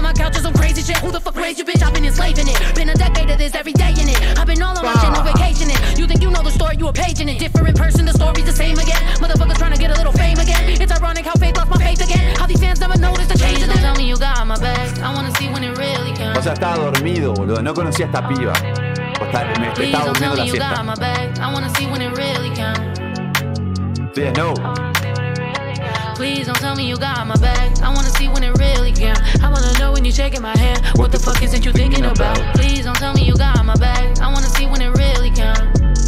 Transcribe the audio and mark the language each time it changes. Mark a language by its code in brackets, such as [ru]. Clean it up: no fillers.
[en] out to some crazy shit. Who the fuck raised you, bitch? I've been enslaving it. Been a decade of this every day in it. I've been all on my shit, no vacation in. You think you know the story, you a page in it. Different person, the story's the same again. Motherfuckers trying to get a little fame again. It's ironic how faith lost my faith again. How these fans never noticed the change in them. Tell me you got my back. I wanna see when it really comes. [es] O sea, estaba dormido, boludo. No conocía a esta piba. O sea, me estaba durmiendo la siesta. [en] I wanna see when it really comes. Yeah, no. Please don't tell me you got my back. I wanna see when it really counts. I wanna know when you're shaking my hand. What the fuck is it you thinking about? Please don't tell me you got my back. I wanna see when it really counts.